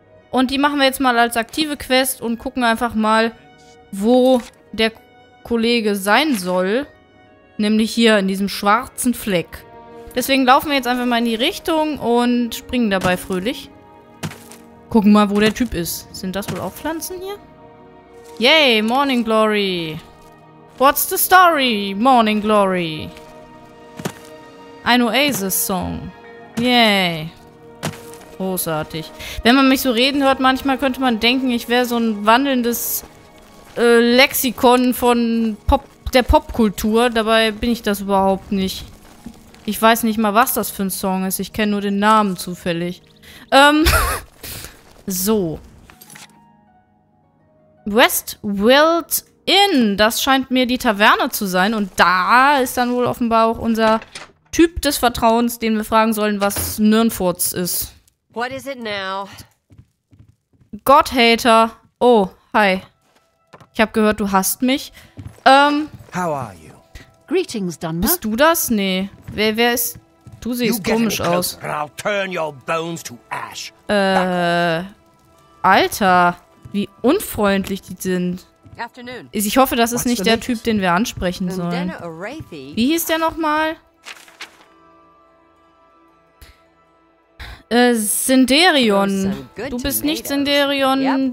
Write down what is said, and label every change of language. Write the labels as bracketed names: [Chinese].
[German] Und die machen wir jetzt mal als aktive Quest und gucken einfach mal, wo der Kollege sein soll. Nämlich hier in diesem schwarzen Fleck. Deswegen laufen wir jetzt einfach mal in die Richtung und springen dabei fröhlich. Gucken mal, wo der Typ ist. Sind das wohl auch Pflanzen hier? [English] Yay, Morning Glory. What's the story, Morning Glory? [German] Ein Oasis-Song. Yay. Großartig. Wenn man mich so reden hört, manchmal könnte man denken, ich wäre so ein wandelndes Lexikon von der Popkultur. Dabei bin ich das überhaupt nicht. Ich weiß nicht mal, was das für ein Song ist. Ich kenne nur den Namen zufällig. So. Westwild Inn. Das scheint mir die Taverne zu sein. Und da ist dann wohl offenbar auch unser Typ des Vertrauens, den wir fragen sollen, was Nirnfurz ist. [English] What is it now? Godhater. Oh, hi. [German] Ich habe gehört, du hasst mich. [English] How are you? Greetings, Dunmer. [German] Bist du das? Nee. Wer ist... Du siehst [English] you [German] komisch aus. [English] I'll turn your bones to ash. [German] Alter. Wie unfreundlich die sind. [English] Afternoon. [German] Ich hoffe, das ist What's nicht der mix? Typ, den wir ansprechen sollen. Wie hieß der nochmal? Sinderion. Du bist nicht Sinderion. Yep.